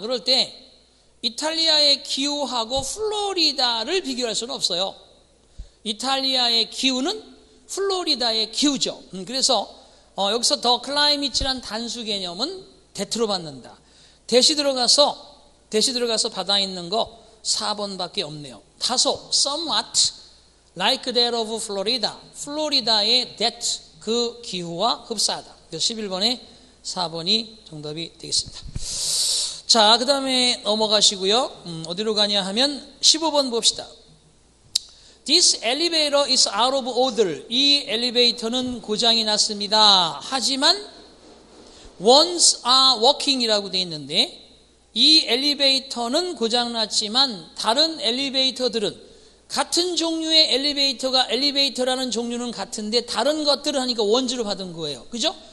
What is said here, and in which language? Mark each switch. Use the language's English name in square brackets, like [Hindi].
[Korean] 그럴 때 이탈리아의 기후하고 플로리다를 비교할 수는 없어요. 이탈리아의 기후는 플로리다의 기후죠. 그래서 여기서 더 클라이밋이란 단수 개념은 대트로 받는다. 대시 들어가서 받아 있는 거 4번밖에 없네요. 다소 [English] somewhat like that of Florida. [Korean] 플로리다의 that 그 기후와 흡사하다. 11번에 4번이 정답이 되겠습니다. 자, 그 다음에 넘어가시고요. 어디로 가냐 하면 15번 봅시다. [English] This elevator is out of order. [Korean] 이 엘리베이터는 고장이 났습니다. 하지만 once a working이라고 되어 있는데 이 엘리베이터는 고장 났지만 다른 엘리베이터들은 같은 종류의 엘리베이터가 엘리베이터라는 종류는 같은데 다른 것들을 하니까 once로 받은 거예요. 그죠?